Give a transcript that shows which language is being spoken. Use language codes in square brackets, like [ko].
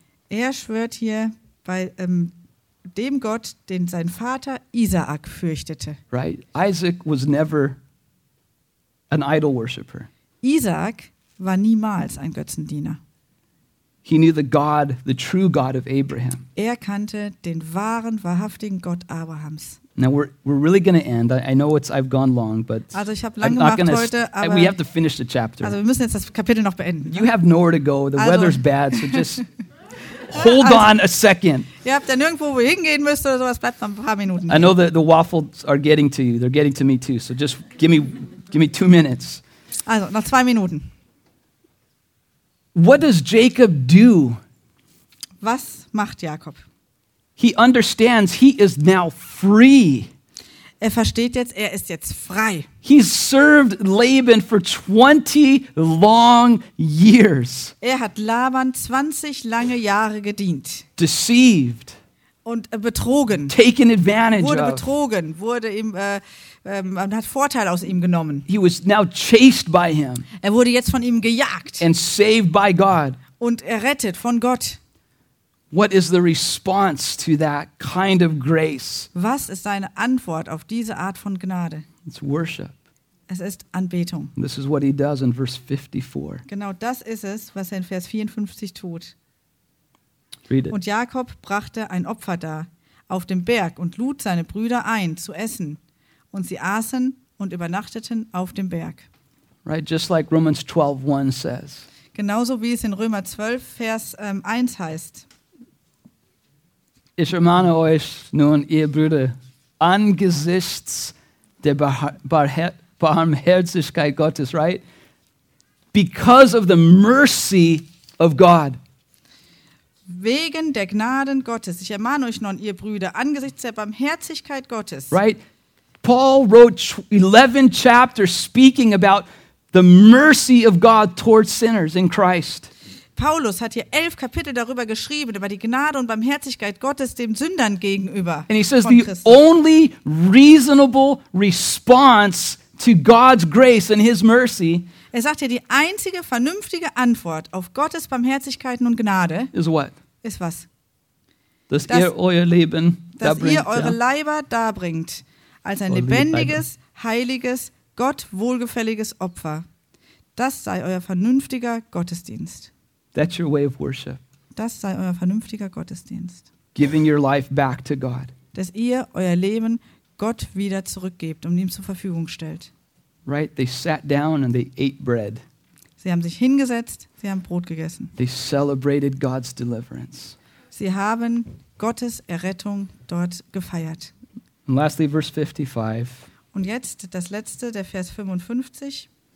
[de] Er schwört hier bei dem Gott, den sein Vater Isaak fürchtete. [en] Right. Isaac was never an idol worshipper. [de] Isaak war niemals ein Götzendiener. [en] He knew the God, the true God of Abraham. [de] Er kannte den wahren, wahrhaftigen Gott Abrahams. [en] Now we're really going to end. I know it's I've gone long, but [de] also ich habe lange gemacht heute, aber [en] we have to finish the chapter. [de] Also wir müssen jetzt das Kapitel noch beenden. [en] You have nowhere to go. The weather's bad, so just hold on a second. [de] Ihr habt ja nirgendwo, wo ihr hingehen müsst oder sowas. Bleibt noch ein paar Minuten. [en] I know the waffles are getting to you. They're getting to me too. So just give me 2 minutes. [de] Also, noch 2 Minuten. [en] What does Jacob do? [de] Was macht Jakob? [en] He understands he is now free. [de] Er versteht jetzt, er ist jetzt frei. [en] He served Laban for 20 long years. [de] Er hat Laban 20 lange Jahre gedient. [en] Deceived. [de] Und betrogen. [en] Taken advantage [de] wurde betrogen, wurde ihm man hat Vorteil aus ihm genommen. [en] He was now chased by him. [de] Er wurde jetzt von ihm gejagt. [en] And saved by God. [de] Und errettet von Gott. [en] What is the response to that kind of grace? [de] Was ist seine Antwort auf diese Art von Gnade? [en] It's worship. [de] Es ist Anbetung. [en] This is what he does in verse 54. [de] Genau das ist es, was er in Vers 54 tut. [en] Read it. [de] Und Jakob brachte ein Opfer dar auf dem Berg und lud seine Brüder ein zu essen. Und sie aßen und übernachteten auf dem Berg. [en] Right, just like Romans 12:1 says. [de] Genauso wie es in Römer 12, Vers 1 heißt. Ich ermahne euch nun, ihr Brüder, angesichts der Barmherzigkeit Gottes, right? [en] Because of the mercy of God. [de] Wegen der Gnaden Gottes. Ich ermahne euch nun, ihr Brüder, angesichts der Barmherzigkeit Gottes. [en] Right? Paul wrote 11 chapters speaking about the mercy of God towards sinners in Christ. [de] Paulus hat hier 11 Kapitel darüber geschrieben, über die Gnade und Barmherzigkeit Gottes dem Sündern gegenüber. [en] And he says the only reasonable response to God's grace and his mercy. [de] Er sagt hier, die einzige vernünftige Antwort auf Gottes Barmherzigkeiten und Gnade [en] is what? [de] Ist was? Dass ihr euer Leben darbringt. Dass ihr eure Leiber darbringt als ein lebendiges, heiliges, Gott wohlgefälliges Opfer. Das sei euer vernünftiger Gottesdienst. [en] That's your way of worship. [de] Das sei euer vernünftiger Gottesdienst. [en] Giving your life back to God. [de] Dass ihr euer Leben Gott wieder zurückgebt und ihm zur Verfügung stellt. [en] Right, they sat down and they ate bread. [de] Sie haben sich hingesetzt, sie haben Brot gegessen. [en] They celebrated God's deliverance. [de] Sie haben Gottes Errettung dort gefeiert. [en] And lastly, verse 55. [de] Und jetzt das letzte, der Vers 55.